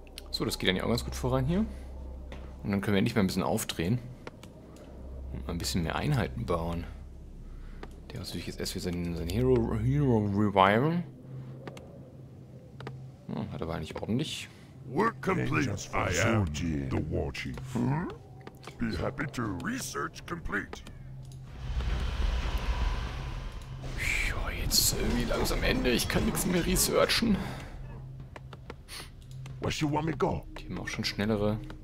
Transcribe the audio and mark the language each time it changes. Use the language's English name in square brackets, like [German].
[German] So, das geht dann ja auch ganz gut voran hier. Und dann können wir endlich mal ein bisschen aufdrehen. Und mal ein bisschen mehr Einheiten bauen. Der muss natürlich jetzt erst wieder sein Hero reviven. Hat aber eigentlich ordentlich. [English] Work complete. I am the war chief. Hmm? Be happy to research complete. [German] Ja, jetzt irgendwie langsam Ende. Ich kann nichts mehr researchen. [English] Where you want me go? [German] Die haben auch schon schnellere.